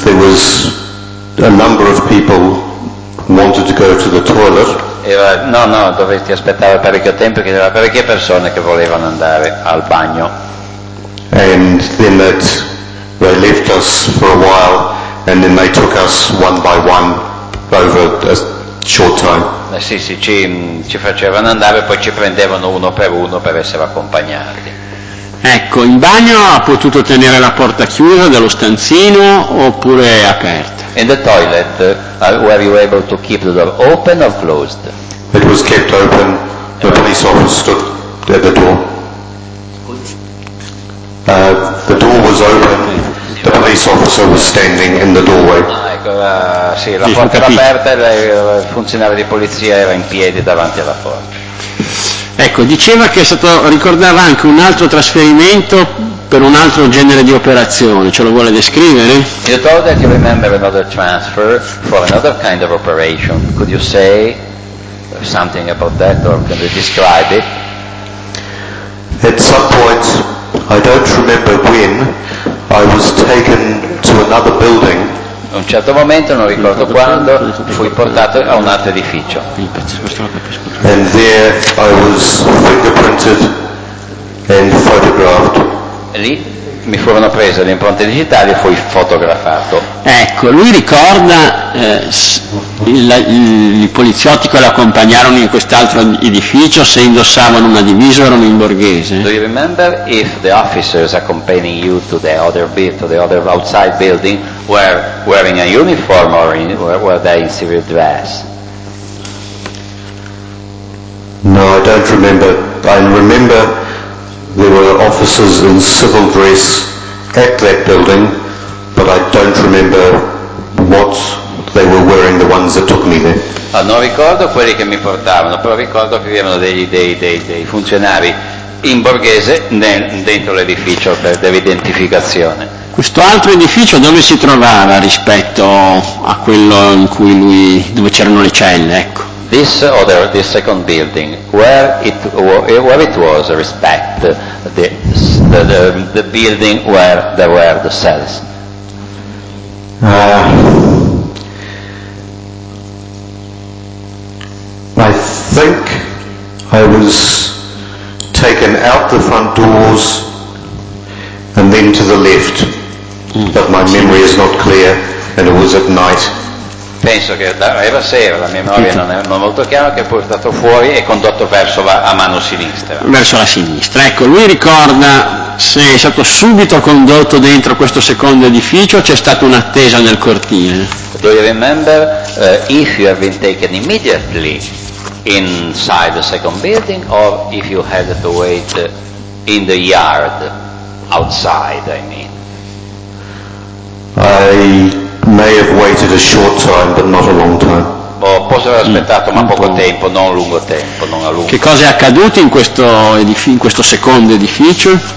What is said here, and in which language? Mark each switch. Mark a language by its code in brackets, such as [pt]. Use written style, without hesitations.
[en] There was a number of people wanted to go to the toilet. [it] No, dovresti aspettare parecchio tempo perché c'erano parecchie persone che volevano andare al bagno. [en] And then they left us for a while and then they took us one by one over a short time. [it] Sì, ci facevano andare e poi ci prendevano uno per essere accompagnati. Ecco, in bagno ha potuto tenere la porta chiusa dello stanzino oppure aperta? [en] In the toilet, were you able to keep the door open or closed? It was kept open. The police officer stood at the door. The door was open. The police officer was standing in the doorway. [it] La porta era aperta e il funzionario di polizia era in piedi davanti alla porta. Ecco, diceva che è stato, ricordava anche un altro trasferimento per un altro genere di operazione, ce lo vuole descrivere? [en] You told that you remember another transfer for another kind of operation. Could you say something about that or can you describe it? At some point, I don't remember when, I was taken to another building. [it] A un certo momento, non ricordo quando, fui portato a un altro edificio. [en] And there I was fingerprinted and photographed. [it] Lì mi furono prese le impronte digitali e fui fotografato. Ecco, lui ricorda i poliziotti che lo accompagnarono in quest'altro edificio se indossavano una divisa o erano in borghese. [en] Do you remember if the officers accompanying you to the other bit, to the other outside building were wearing a uniform or were they in civil dress? No, I don't remember. I remember there were officers in civil dress at that building, but I don't remember what they were wearing, the ones that took me there. [it] Ah, non ricordo quelli che mi portavano, però ricordo che erano dei funzionari in borghese dentro l'edificio per dell'identificazione. Questo altro edificio dove si trovava rispetto a quello in cui lui, dove c'erano le celle, ecco? [en] This second building, where it was respect the building where there were the cells. I think I was taken out the front doors and then to the left, but my memory is not clear, and it was at night. [it] Penso che era sera, la mia memoria non è molto chiara, che è portato fuori e condotto verso la mano sinistra. Verso la sinistra, ecco, lui ricorda se è stato subito condotto dentro questo secondo edificio o c'è stata un'attesa nel cortile. [en] Do you remember if you have been taken immediately inside the second building or if you had to wait in the yard, outside, I mean? I may have waited a short time, but not a long time. [it] Posso aver aspettato, ma poco tempo, non a lungo tempo, non a lungo. Che cosa è accaduto in questo secondo edificio?